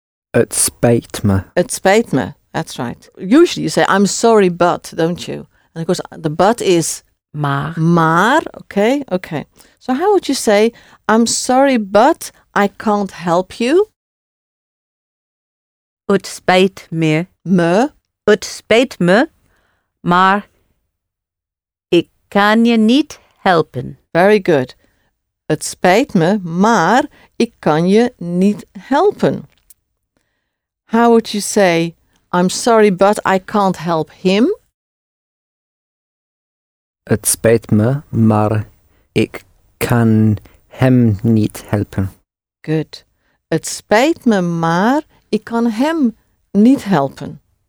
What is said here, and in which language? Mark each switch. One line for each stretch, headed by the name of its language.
Dutch: Het spijt me. Het spijt me.
English: That's right. Usually you say, I'm sorry, but, don't you? And of course, the but is
Dutch: maar. Maar, okay, okay.
English: So how would you say, I'm sorry, but I can't help you?
Dutch: Het spijt me. Me. Het spijt me, maar ik kan je niet helpen.
English: Very good.
Dutch: Het spijt me, maar ik kan je niet helpen.
English: How would you say, I'm sorry, but I can't help him?
Dutch: Het spijt me, maar ik kan hem niet helpen. Good. Het spijt me, maar ik kan hem niet helpen.